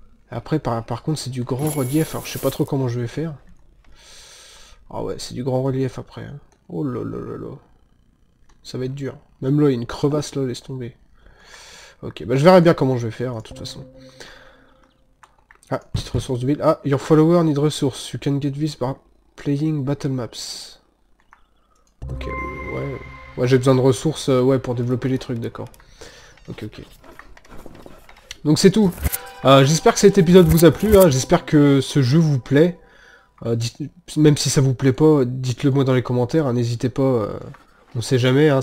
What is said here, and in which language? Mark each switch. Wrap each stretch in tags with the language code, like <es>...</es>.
<fr>Après, par contre, c'est du grand relief, alors je sais pas trop comment je vais faire. Ah ouais, c'est du grand relief après. Hein. Oh là là là là. Ça va être dur. Même là, il y a une crevasse là, laisse tomber. Ok, bah je verrai bien comment je vais faire, hein, de toute façon. Ah, petite ressource de ville.</fr> <en>Ah, your follower need resources. You can get this by playing battle maps.</en> <fr>Ok, ouais. Ouais, j'ai besoin de ressources, ouais, pour développer les trucs, d'accord. Ok. Donc c'est tout. J'espère que cet épisode vous a plu, hein. J'espère que ce jeu vous plaît. Même si ça vous plaît pas, dites-le moi dans les commentaires, hein. N'hésitez pas. On sait jamais, hein.</fr>